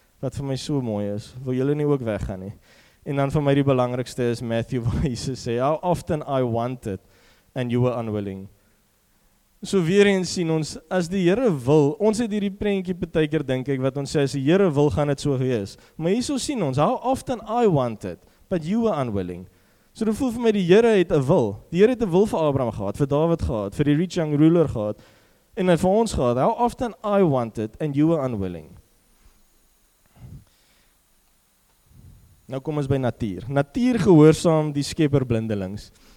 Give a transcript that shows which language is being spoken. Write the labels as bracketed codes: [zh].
[af] wat vir my so mooi is, wil julle nie ook weggaan nie. En dan vir my die belangrikste is Matthew, waar Jesus sê, [en] how often I wanted and you were unwilling. [af] So weer eens sien ons, as die Here wil, ons het hierdie prentjie partykeer dink ek, wat ons sê, as die Here wil, gaan het so wees. Maar hierso sien ons, [en] how often I wanted, but you were unwilling. [af] So dit voel vir my, die Here het 'n wil. Die Here het 'n wil vir Abraham gehad, vir David gehad, vir die rich young ruler gehad, en vir ons gehad, [en] how often I wanted and you were unwilling. [af] Nou kom ons by natuur. Natuur gehoorsaam die skepper blindelings.